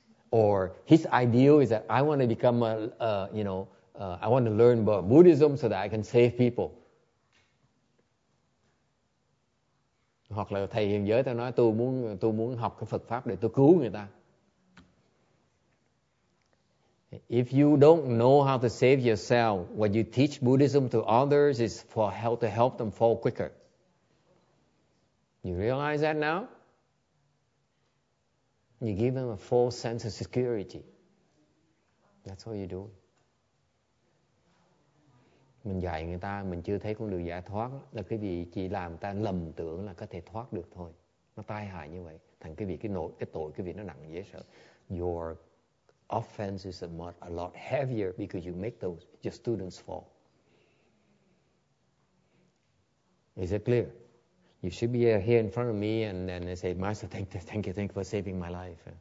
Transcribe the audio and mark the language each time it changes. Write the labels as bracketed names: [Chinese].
[English] Or his ideal is that I want to become I want to learn about Buddhism so that I can save people. [Vietnamese] Hoặc là thầy hiện giới ta nói tôi muốn học cái Phật pháp để tôi cứu người ta. [English] If you don't know how to save yourself, what you teach Buddhism to others is for help to help them fall quicker. You realize that now? You give them a false sense of security. That's what you do. [Vietnamese] Mình dạy người ta, mình chưa thấy con đường giải thoát là cái gì, chỉ làm người ta lầm tưởng là có thể thoát được thôi. Nó tai hại như vậy. Thành cái vị, cái tội nó nặng dễ sợ. [English] Your offense is a lot heavier because you make those your students fall. Is it clear? You should be here in front of me and then say, Master, thank you for saving my life.